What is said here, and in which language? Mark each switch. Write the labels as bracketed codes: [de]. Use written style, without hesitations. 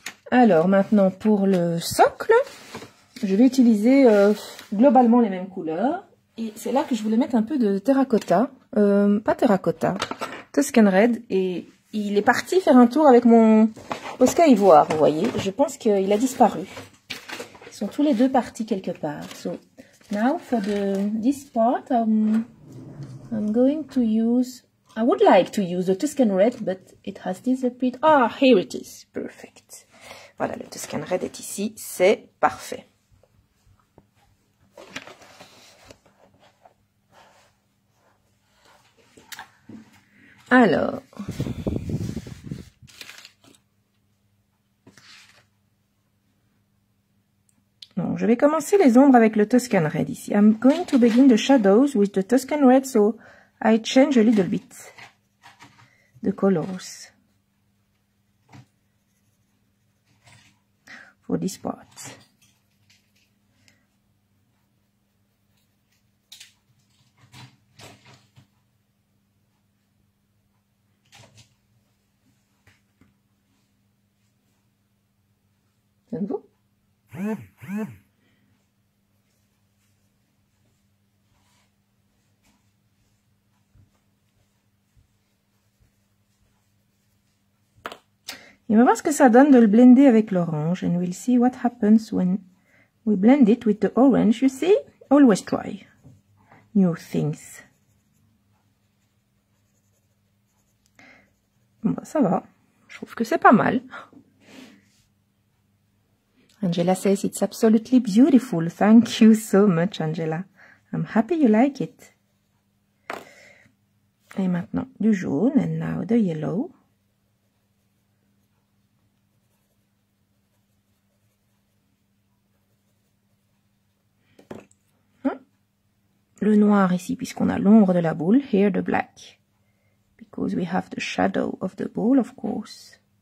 [fr] Alors, maintenant, pour le socle, je vais utiliser globalement les mêmes couleurs. Et c'est là que je voulais mettre un peu de terracotta. Pas terracotta, Tuscan Red. Et il est parti faire un tour avec mon Posca Ivoire, vous voyez. Je pense qu'il a disparu. Ils sont tous les deux partis quelque part. [en] So, now for this part, I'm going to use... I would like to use the Tuscan Red, but it has disappeared. Ah, here it is. Perfect. [fr] Voilà, le Tuscan Red est ici. C'est parfait. Alors, donc, je vais commencer les ombres avec le Tuscan Red ici. [en] I'm going to begin the shadows with the Tuscan Red, so I change a little bit the colors for this part. [fr] Et on va voir ce que ça donne de le blender avec l'orange. [en] And we'll see what happens when we blend it with the orange. You see, always try new things. [fr] Bon, ça va. Je trouve que c'est pas mal. [en] Angela says it's absolutely beautiful. Thank you so much, Angela. I'm happy you like it. [fr] Et maintenant, du jaune. [en] And now the yellow. [fr] Le noir ici, puisqu'on a l'ombre de la boule. [en] Here the black. Because we have the shadow of the ball, of course.